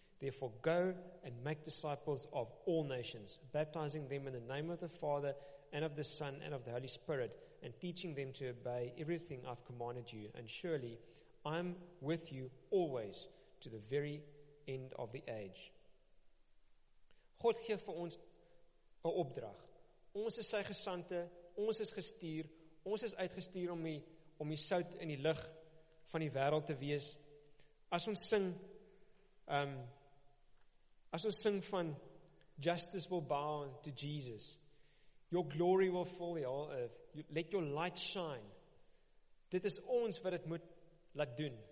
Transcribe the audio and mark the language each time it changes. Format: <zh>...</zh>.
<en>Therefore, go and make disciples of all nations, baptizing them in the name of the Father and of the Son and of the Holy Spirit, and teaching them to obey everything I've commanded you. And surely, I'm with you always to the very end of the age.</en> <af>God gee vir ons 'n opdrag Ons is sy gesante, ons is gestuur, ons is uitgestuur om die sout in die lig van die wêreld te wees. As ons sing, as ons sing van</af> <en>justice will bow to Jesus, your glory will fill the whole earth, you, let your light shine.</en> <af>Dit is ons wat het moet laat doen.</af>